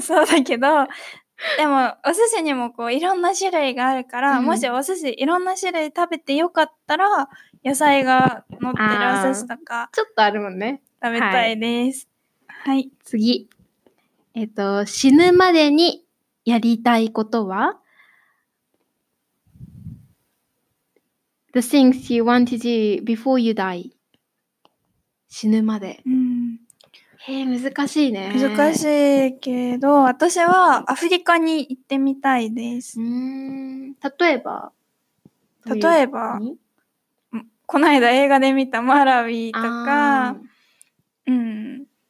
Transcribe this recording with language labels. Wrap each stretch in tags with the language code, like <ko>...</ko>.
<ja>そうだけど、でもお寿司にもこういろんな種類があるから、もしお寿司いろんな種類食べてよかったら、野菜が乗ってるお寿司とか。ちょっとあるもんね。食べたいです。はい。はい、次。死ぬまでにやりたいことは？</ja> <en>The things you want to do before you die.</en> <ja>死ぬまで。うん、へえ、難しいね。難しいけど、私はアフリカに行ってみたいです。例えば？例えば、この間映画で見たマラウィとか、うん。</ja>